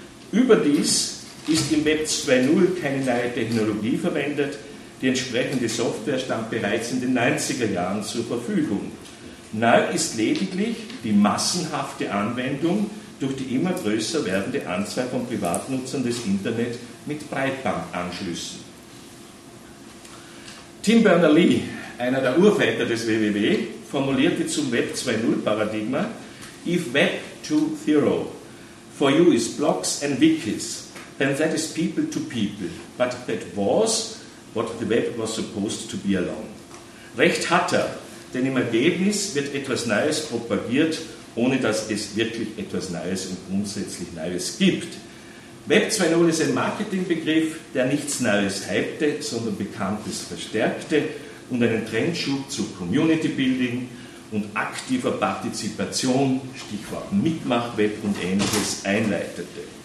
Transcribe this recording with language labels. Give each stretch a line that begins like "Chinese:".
German: Überdies ist im Web 2.0 keine neue Technologie verwendet, Die entsprechende Software stand bereits in den 90er Jahren zur Verfügung. Neu ist lediglich die massenhafte Anwendung durch die immer größer werdende Anzahl von Privatnutzern des Internet mit Breitbandanschlüssen.
English: Tim Berners-Lee,
German: einer der Urväter des WWW, formulierte zum Web 2.0-Paradigma:
English: If Web 2.0, for you is blogs and wikis, then that is people to people, but that was what the web was supposed to be alone.
German: Recht hat er, denn im Ergebnis wird etwas Neues propagiert, ohne dass es wirklich etwas Neues und grundsätzlich Neues gibt. Web 2.0 ist ein Marketingbegriff, der nichts Neues hypte, sondern Bekanntes verstärkte und einen Trendschub zu Community Building und aktiver Partizipation, Stichwort Mitmachweb und Ähnliches, einleitete.